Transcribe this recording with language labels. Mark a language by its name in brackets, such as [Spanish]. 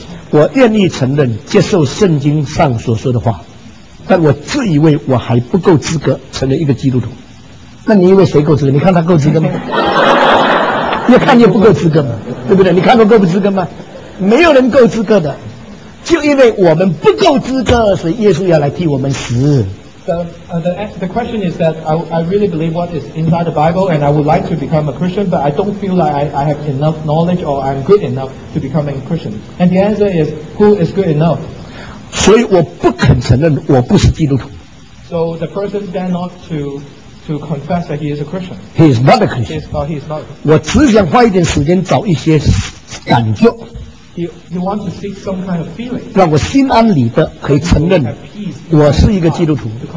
[Chinese] 我愿意承认接受圣经上所说的话，但我自以为我还不够资格成为一个基督徒。那你以为谁够资格？你看他够资格吗？越看越不够资格嘛，对不对？你看他够不资格吗？没有人够资格的，就因为我们不够资格，所以耶稣要来替我们死。 [English] The question is that I really believe what is inside the Bible, and I would like to become a Christian, but I don't feel like I have enough knowledge or I'm good enough to become a Christian. And the answer is, who is good enough? [Chinese] 所以我不肯承认我不是基督徒。 [English] So the person dare not to confess that he is a Christian. He is not a Christian. He is not. [Chinese] 我只想花一点时间找一些感觉。 [English] You want to seek some kind of feeling. [Chinese] 让我心安理得可以承认我是一个基督徒。